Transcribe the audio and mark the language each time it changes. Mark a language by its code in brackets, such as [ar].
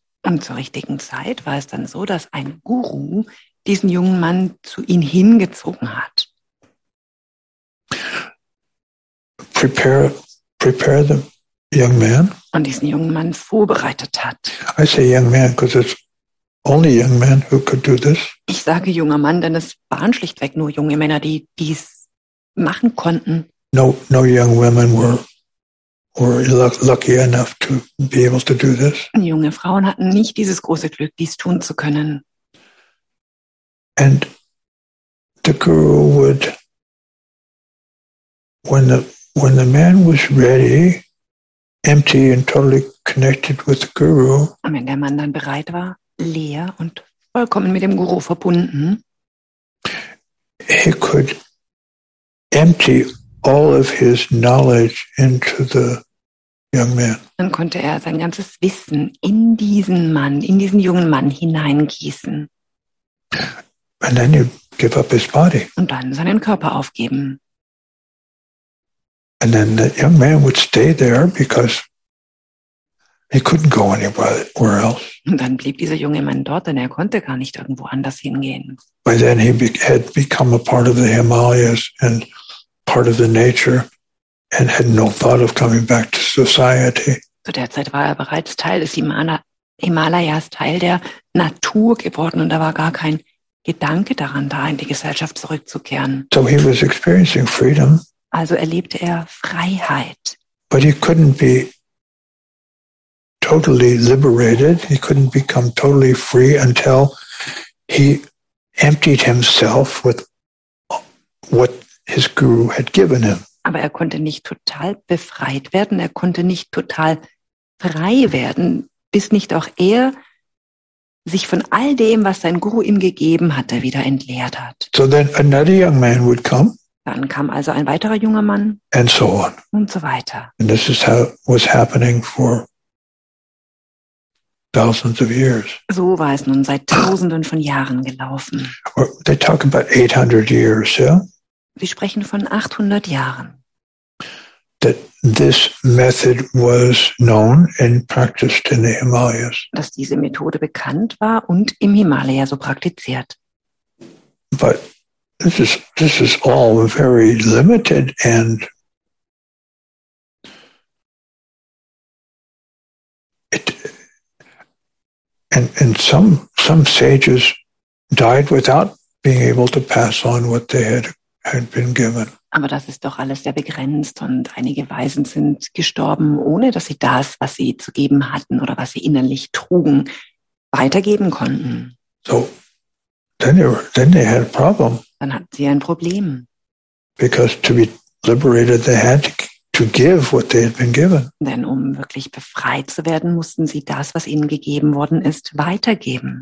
[de] Und zur richtigen Zeit war es dann so, dass ein Guru diesen jungen Mann zu ihm hingezogen hat. [en] Prepare the young man. [de] Und diesen jungen Mann vorbereitet hat. [en] I say young man, because it's only young men who could do this. [de] Ich sage junger Mann, denn es waren schlichtweg nur junge Männer, die dies machen konnten. [en] No young women were lucky enough to be able to do this. [de] Junge Frauen hatten nicht dieses große Glück, dies tun zu können. [en] And the guru would, when the man was ready, empty and totally connected with the guru. [de] Und wenn der Mann dann bereit war, leer und vollkommen mit dem Guru verbunden, [en] he could empty all of his knowledge into the young man. [de] Dann konnte er sein ganzes Wissen in diesen Mann, in diesen jungen Mann hineingießen. [en] And then he'd give up his body. [de] Und dann seinen Körper aufgeben. [en] And then the young man would stay there because he couldn't go anywhere else. [de] Und dann blieb dieser junge Mann dort, denn er konnte gar nicht irgendwo anders hingehen. [en] By then he had become a part of the Himalayas and part of the nature. And had no thought of coming back to society. [de] Zu der Zeit war er bereits Teil des Himalayas, Teil der Natur geworden, und da war gar kein Gedanke daran da, in die Gesellschaft zurückzukehren. [en] So he was experiencing freedom. [de] Also erlebte er Freiheit. [en] But he couldn't be totally liberated. He couldn't become totally free until he emptied himself with what his guru had given him. [de] Aber er konnte nicht total befreit werden, er konnte nicht total frei werden, bis nicht auch er sich von all dem, was sein Guru ihm gegeben hatte, wieder entleert hat. [en] So then another young man would come. [de] Dann kam also ein weiterer junger Mann. [en] And so on. [de] Und so weiter. [en] And this is how was happening for thousands of years. [de] So war es nun seit Tausenden von Jahren gelaufen. [en] They talk about 800 years, yeah? [de] Wir sprechen von 800 Jahren. [en] That this method was known and practiced in the Himalayas. [de] Dass diese Methode bekannt war und im Himalaya so praktiziert. [en] But this is all very limited and it and some sages died without being able to pass on what they had been given. [de] Aber das ist doch alles sehr begrenzt, und einige Weisen sind gestorben, ohne dass sie das, was sie zu geben hatten oder was sie innerlich trugen, weitergeben konnten. [en] So, then they had a problem. [de] Dann hatten sie ein Problem. [en] Because to be liberated, they had to give what they had been given. [de] Denn um wirklich befreit zu werden, mussten sie das, was ihnen gegeben worden ist, weitergeben.